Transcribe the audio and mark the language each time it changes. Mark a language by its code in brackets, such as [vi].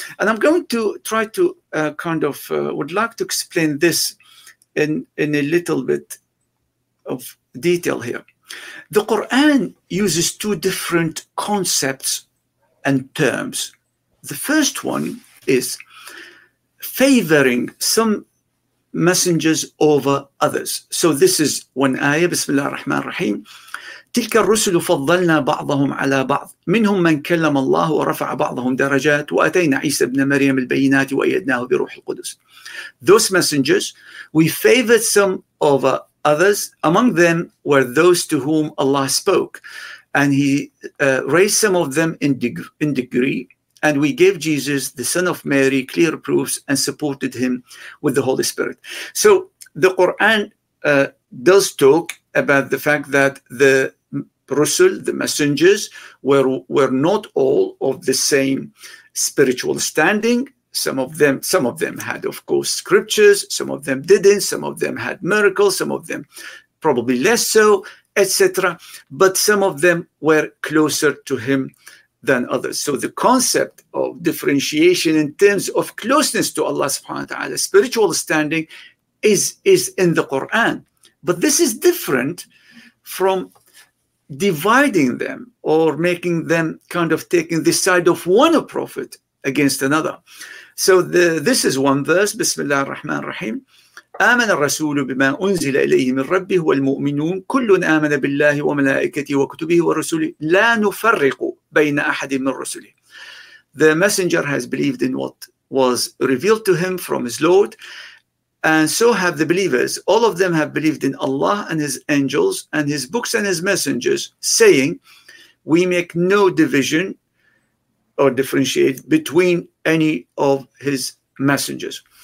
[en] And I'm going to try to would like to explain this in a little bit of detail here. The Quran uses two different concepts and terms. The first one is favoring some messengers over others. So this is one ayah, Bismillah ar-Rahman ar-Rahim. [ar] تلك الرسل فضلنا بعضهم على بعض منهم من كلم الله ورفع بعضهم درجات وأتينا عيسى بن مريم البينات وأيدناه بروح القدس. [en] Those messengers, we favored some over others. Among them were those to whom Allah spoke, and He raised some of them in degree, and we gave Jesus, the son of Mary, clear proofs and supported him with the Holy Spirit. So the Quran does talk about the fact that the Rusul, the messengers, were not all of the same spiritual standing. Some of them had, of course, scriptures, some of them didn't, some of them had miracles, some of them probably less so, etc. But some of them were closer to him than others. So the concept of differentiation in terms of closeness to Allah subhanahu wa ta'ala, spiritual standing, is in the Quran. But this is different from dividing them or making them kind of taking the side of one prophet against another. So this is one verse, Bismillah ar-Rahman ar-Rahim. [ar] آمن الرسول بما أنزل إليه من ربه والمؤمنون كل آمن بالله وملائكته وكتبه ورسله لا نفرق بين أحد من رسله. [en] The messenger has believed in what was revealed to him from his Lord, and so have the believers. All of them have believed in Allah and his angels and his books and his messengers, saying, we make no division or differentiate between any of his messengers.